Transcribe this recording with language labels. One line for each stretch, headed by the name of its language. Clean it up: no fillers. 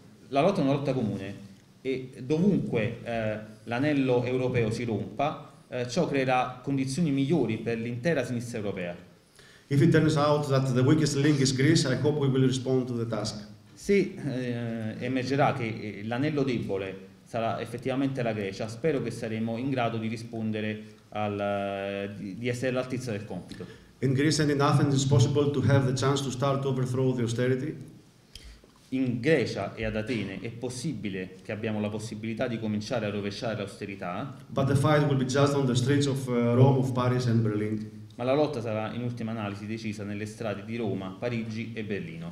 Italian: La lotta è una lotta comune e dovunque l'anello europeo si rompa, ciò creerà condizioni migliori per l'intera sinistra europea.
English: If it turns out that the weakest link is Greece, I hope we will respond to the task.
Italian: Se emergerà che l'anello debole sarà effettivamente la Grecia, spero che saremo in grado di rispondere di essere all'altezza del compito.
English: In Greece and in Athens it's possible to have the chance to start to overthrow the austerity.
Italian: In Grecia e ad Atene è possibile che abbiamo la possibilità di cominciare a rovesciare l'austerità.
English: But the fight will be just on the streets of Rome, of Paris and Berlin.
Italian: Ma la lotta sarà in ultima analisi decisa nelle strade di Roma, Parigi e Berlino.